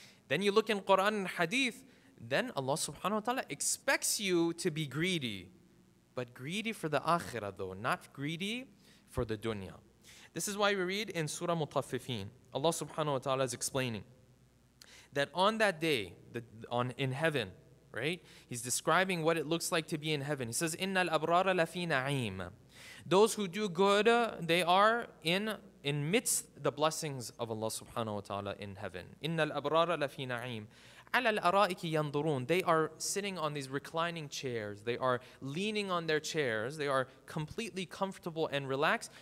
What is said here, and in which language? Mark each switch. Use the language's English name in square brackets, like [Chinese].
[English] Then you look in Quran and Hadith, then Allah subhanahu wa ta'ala expects you to be greedy, but greedy for the akhirah though, not greedy for the dunya. This is why we read in Surah Mutaffifin, Allah subhanahu wa ta'ala is explaining that on that day, in heaven, right? He's describing what it looks like to be in heaven. He says, [Arabic] إِنَّ الْأَبْرَارَ لَفِي نَعِيمٍ. [English] Those who do good, they are in midst the blessings of Allah subhanahu wa ta'ala in heaven. [Arabic] إِنَّ الْأَبْرَارَ لَفِي نَعِيمٍ. عَلَى الْأَرَائِكِ يَنْظُرُونَ. [English] They are sitting on these reclining chairs. They are leaning on their chairs. They are completely comfortable and relaxed.